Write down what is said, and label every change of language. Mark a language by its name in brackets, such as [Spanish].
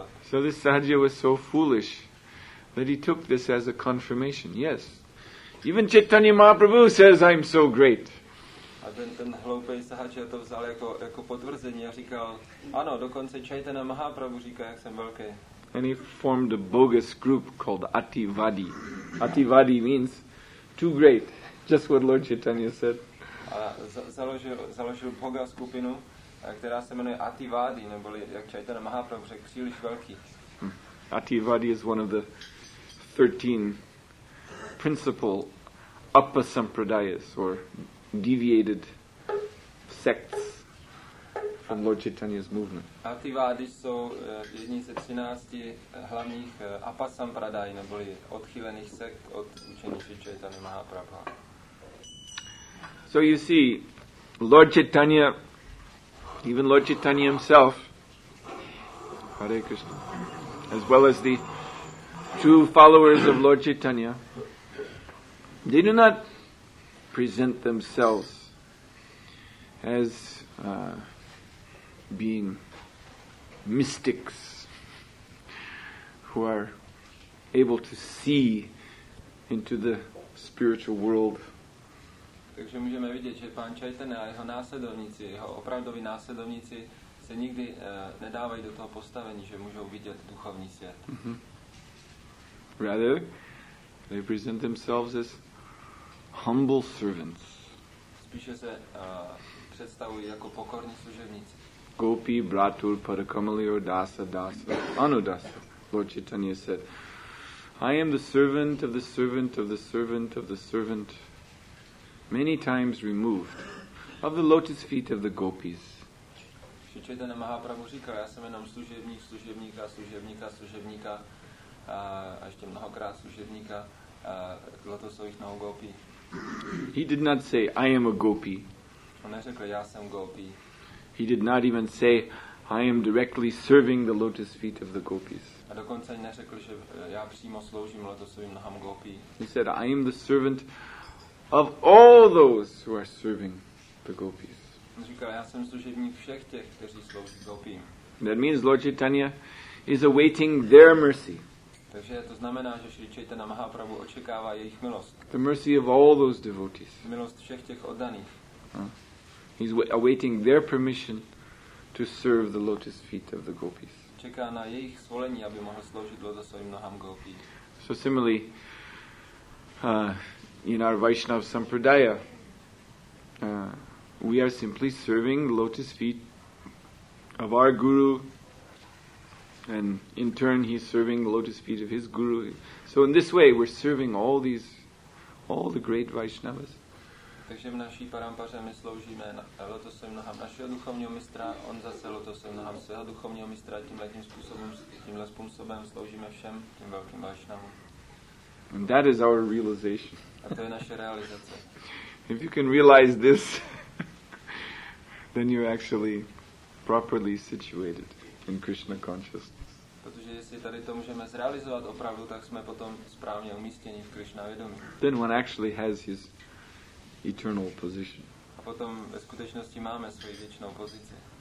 [English] So this sahaja was so foolish that he took this as a confirmation. Yes, even Chaitanya Mahaprabhu says I'm so great. [Czech] A ten hloupej sahaja to vzal jako potvrzení a říkal, ano, dokonce Chaitanya Mahaprabhu říká, jak jsem velký. [English] And he formed a bogus group called Ativadi. Ativadi means too great, just what Lord Chaitanya said. [Czech] Založil boga skupinu, která se jmenuje Ativadi, neboli jak Chaitanya Mahaprabhu řekl, příliš velký. [English] Ativadi is one of the 13 principal upasampradayas or deviated sects from Lord Chaitanya's movement. [Czech] Ativadi jsou jedni ze 13 hlavních apasampradaj, neboli odchylených sekt od učení Chaitanya Mahaprabhu. [English] So you see, Lord Chaitanya, even Lord Chaitanya himself, Hare Krishna, as well as the true followers of Lord Chaitanya, they do not present themselves as being mystics who are able to see into the spiritual world. [Czech] Takže můžeme vidět, že pán Chaitanya a jeho následovníci, jeho opravdoví následovníci se nikdy nedávají do toho postavení, že můžou vidět duchovní svět. [English] Rather, they present themselves as humble servants. [Czech] Spíše se představují jako pokorní služebníci. [English] Gopi, Bratul, Parakamali, or Dasa, Dasa, Anudasa. Lord Chaitanya said, I am the servant of the servant of the servant of the servant, many times removed, of the lotus feet of the gopis. [Czech] Sri Chaitanya Mahaprabhu říkal, já jsem jenom služebník, služebníka, služebníka, služebníka, a ještě mnohokrát služebníka, lotosových nohou gopi. [English] He did not say, I am a gopi. [Czech] On neřekl, já jsem gopi. [English] He did not even say, I am directly serving the lotus feet of the gopis. [Czech] A dokonce neřekl, že já přímo sloužím lotosovým nohám gopi. [English] He said, I am the servant of all those who are serving the gopis. [Czech] Říkal, já jsem služebník všech těch, kteří slouží gopím. [English] That means Lord Chaitanya is awaiting their mercy. [Czech] Takže to znamená, že Sri Chaitanya Mahaprabhu očekává jejich milost. [English] The mercy of all those devotees. [Czech] Milost všech těch oddaných. [English] He's awaiting their permission to serve the lotus feet of the gopis. [Czech] Čeká na jejich svolení, aby mohl sloužit lotosovým nohám gopí. [English] So similarly, in our Vaishnava Sampradaya, we are simply serving the lotus feet of our guru, and in turn he's serving the lotus feet of his guru. So in this way we're serving all the great Vaishnavas. [Czech] Takže v naší parampaře my sloužíme lotosovým nohám našeho duchovního mistra, on zase lotosovým nohám svého duchovního mistra, tímhle způsobem sloužíme všem tím velkým Vaishnavům. [English] And that is our realization. [Czech] A to je naše realizace. [English] If you can realize this, then you're actually properly situated in Krishna consciousness. [Czech] Protože jestli tady to můžeme zrealizovat opravdu, tak jsme potom správně umístěni v Krishna vědomí. [English] Then one actually has his eternal position. [Czech] A potom ve skutečnosti máme svoji věčnou pozici.